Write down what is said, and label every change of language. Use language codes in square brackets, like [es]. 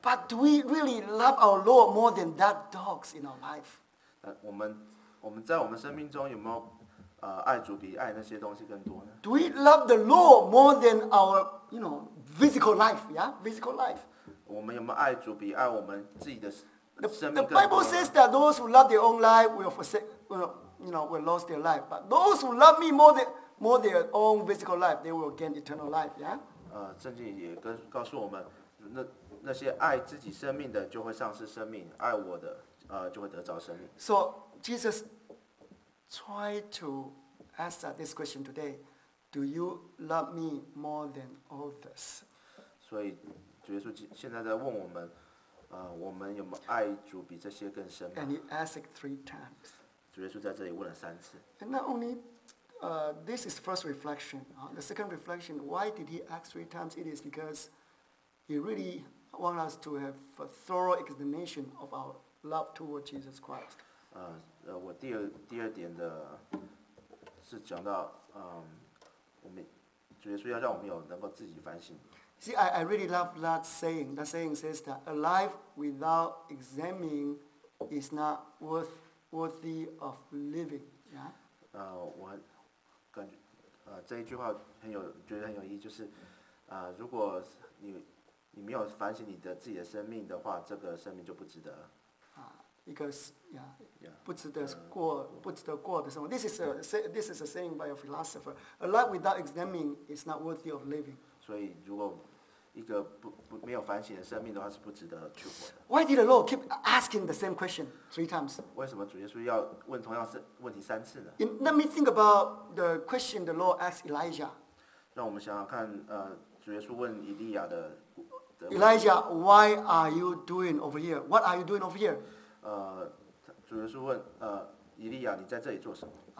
[en] But do we really love our Lord more than that dogs in our life? [zh] 我们在我们生命中有没有？爱主比爱那些东西更多呢 [en] ？Do we love the Lord more than our, you know, physical life? Yeah, physical life. [zh] 我们有没有爱主比爱我们自己的生命更多呢 [en] ？The Bible says that those who love their own life will forsake, will lose their life. But those who love me more their own physical life, they will gain eternal life. Yeah. [zh] 圣经也告诉我们，那些爱自己生命的就会丧失生命，爱我的就会得着生命。 [en] So Jesus. Try to answer this question today. Do you love me more than all this? [zh] 所以主耶稣现在在问我们，我们有没有爱主比这些更深吗？ [en] And he asked three times. [zh] 主耶稣在这里问了三次。 [en] And not only, this is first reflection. The second reflection, why did he ask three times? It is because he really want us to have a thorough examination of our love toward Jesus Christ. [zh] 我第二点的是讲到，我们主耶稣要让我们有能够自己反省。 [en] See, I really love that saying. That saying says that a life without examining is not worthy of living. Yeah. [zh] 我感觉，这一句话很有，觉得很有意义，就是，如果你没有反省你的自己的生命的话，这个生命就不值得。 [en] Because [zh] 不值得过，不值得过的生活。 [en] This is a saying by a philosopher. A life without examining is not worthy of living. [zh] 所以如果一个不没有反省的生命的话，是不值得去活的。 [en] Why did the Lord keep asking the same question three times? [zh] 为什么主耶稣要问同样的问题三次呢？ [en] Let me think about the question the Lord asked Elijah. [zh] 让我们想想看，主耶稣问以利亚的。 [en] Elijah, why are you doing over here? What are you doing over here? [zh] 主耶稣问，以利亚，你在这里做什么？